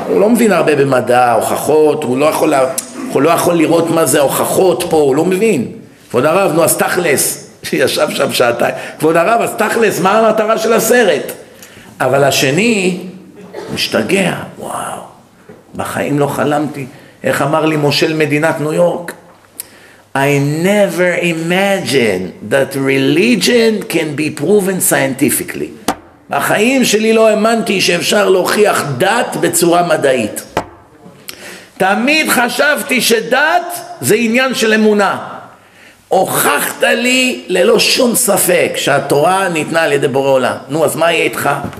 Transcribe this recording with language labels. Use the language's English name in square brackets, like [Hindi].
[Hebrew] הוא לא מבין הרבה במדע, הוכחות, הוא לא יכול לראות מה זה הוכחות פה, הוא לא מבין. כבוד הרב, נו, אז תכלס. שישב שם שעתיים, כבוד הרב, אז תכלס, מה המטרה של הסרט? אבל השני, משתגע, וואו, בחיים לא חלמתי, איך אמר לי מושל מדינת ניו יורק? [English] I never imagined that religion can be proven scientifically. [Hebrew] בחיים שלי לא האמנתי שאפשר להוכיח דת בצורה מדעית. תמיד חשבתי שדת זה עניין של אמונה. הוכחת לי ללא שום ספק שהתורה ניתנה על ידי בורא עולם. נו, אז מה יהיה איתך?